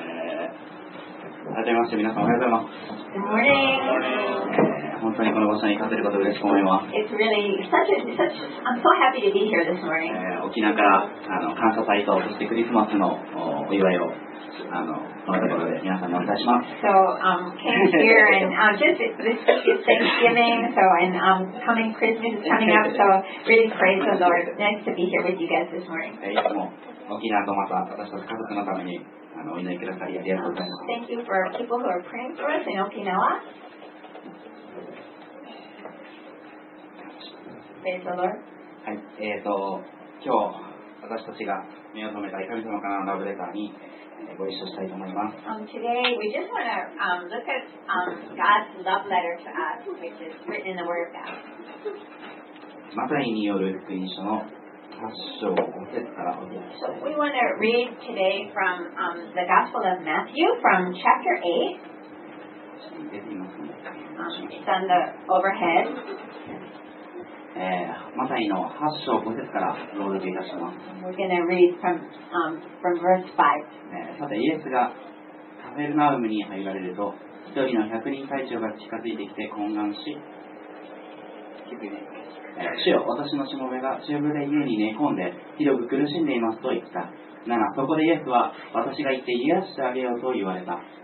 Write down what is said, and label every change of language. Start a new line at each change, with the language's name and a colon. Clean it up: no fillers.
Japanese: はじめまして皆さんおはようございます。
English: Good morning.
Japanese: 本当にこの場所に立てること嬉しく思います。
English: It's really such I'm so happy to be here this morning.
Japanese: 沖縄から感謝祭とそしてクリスマスのお祝いをこのところで皆さんにお伝えします。
English: So came here and just this Thanksgiving so and coming Christmas is coming up so really praise the Lord. Nice to be here with you guys this morning.
Japanese: いつも沖縄とまた私たち家族のためにお祈りくださりありがとうございます。
English: Thank you for people who are praying for us in Okinawa.
Japanese: はい、今日私たちが目を留めた神様からのラブレターにご一緒したいと思います。
English: Today we just want to look at God's love letter to us, which is written in the Word of God.
Japanese: マタイによる福音書の8章5節からお読みします。
English: So we want to read today from the Gospel of Matthew from chapter 8. It's on the overhead.
Japanese: マタイの8章5節から朗読いたします。
English: We're going to read from verse 5、
Japanese: さてイエスがカフェルナウムに入られると一人の百人隊長が近づいてきて懇願し、主よ私のしもべが中部で家に寝込んでひどく苦しんでいますと言った。ならそこでイエスは私が行って癒してあげようと言われた。